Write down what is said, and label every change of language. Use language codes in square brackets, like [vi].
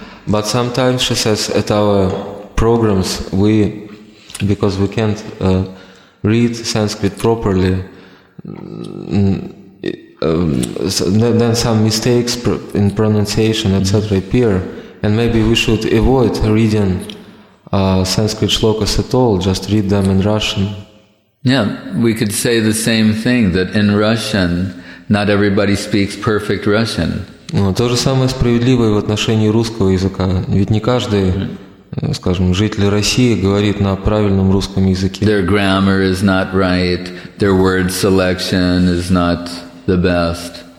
[en] But sometimes, she says, at our programs, because we can't read Sanskrit properly, then some mistakes in pronunciation, etc., appear. And maybe we should avoid reading Sanskrit shlokas at all, just read them in Russian. Yeah, we could say the same thing, that in Russian, not everybody speaks perfect Russian. [ru] Ну, то же самое справедливое в отношении русского языка. Ведь не каждый, скажем, житель России говорит на правильном русском языке. [en] Their grammar is not right, their word selection is not the best.